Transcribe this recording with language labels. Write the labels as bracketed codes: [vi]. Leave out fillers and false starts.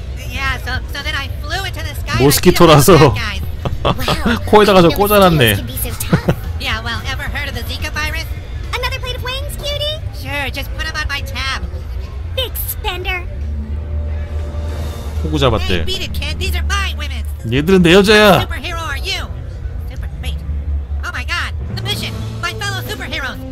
[en] Yeah, so then I flew into the sky. [ko] 모스키토라서 코에다가 저 꽂아놨네. [en] Yeah, well, ever heard of the Zika virus? Another plate of wings, cutie? Sure, just put them on my tab. Big spender. [ko] 호구 잡았대. [en] Hey, beat it, kid. These are my women. [ko] 얘들은 내 여자야. [en] Superhero, are you? Super, wait. Oh my God, the mission. My fellow superheroes.